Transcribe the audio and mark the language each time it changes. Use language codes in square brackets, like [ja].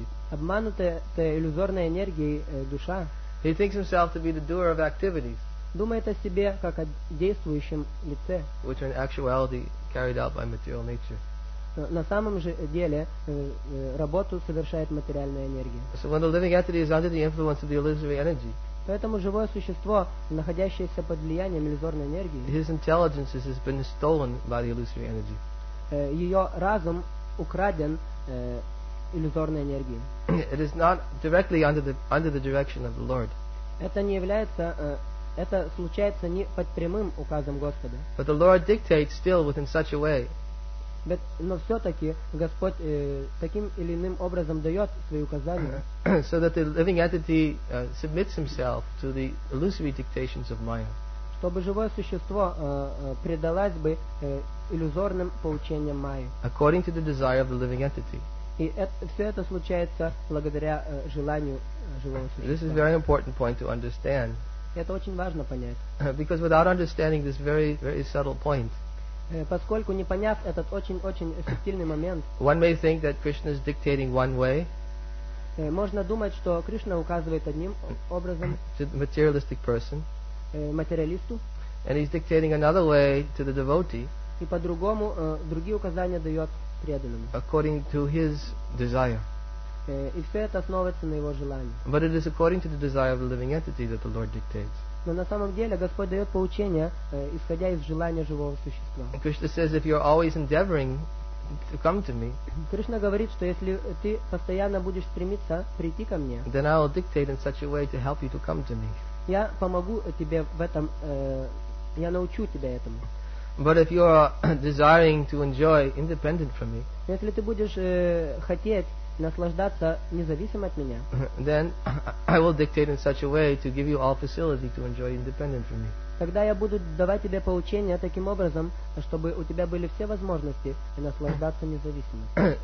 [ru] обманутая иллюзорной энергией душа, [en] he thinks himself to be the doer of activities, [ru] думает о себе как о действующем лице, [en] which are in actuality carried out by material nature. [ru] На самом же деле работу совершает материальная энергия. [en] So when the living entity is under the influence of the illusory energy, [ru] поэтому живое существо, находящееся под влиянием иллюзорной энергии, [en] his intelligence has been stolen by the illusory energy. [ru] Ее разум украден иллюзорной энергией. [en] It is not directly under the direction of the Lord. [ru] Это не является, это случается не под прямым указом Господа. [en] But the Lord dictates still within such a way. [ru] Но все-таки Господь таким или иным образом дает свои указания. [en] So that the living entity submits himself to the illusory dictations of Maya. [ru] Чтобы живое существо предалось бы иллюзорным поучениям Майи. [en] According to the desire of the living entity. [ru] И все это случается благодаря желанию живого существа. [en] This is a very important point to understand. [ru] Это очень важно понять. [en] Because without understanding this very, very subtle point, [ru] поскольку не поняв этот очень-очень субтильный момент, [en] one may think that Krishna is dictating one way, [ru] можно думать, что Кришна указывает одним образом [en] to the materialistic person, [ru] материалисту, [en] and he's dictating another way to the devotee, [ru] и по-другому другие указания дает преданному, [en] according to his desire, [ru] и все это основывается на его желании. [en] But it is according to the desire of the living entity that the Lord dictates. [ru] Но на самом деле Господь дает поучение, исходя из желания живого существа. [en] Krishna says, if you're always endeavoring to come to me, [ru] Кришна говорит, что если ты постоянно будешь стремиться прийти ко мне, [en] then I will dictate in such a way to help you to come to me. [ru] Я помогу тебе в этом, я научу тебя этому. [en] But if you are desiring to enjoy independent from me, [ru] если ты будешь хотеть наслаждаться независимо от меня, [en] then I will dictate in such a way to give you all facility to enjoy independent from me. [ru] Тогда я буду давать тебе поучения таким образом, чтобы у тебя были все возможности наслаждаться независимо.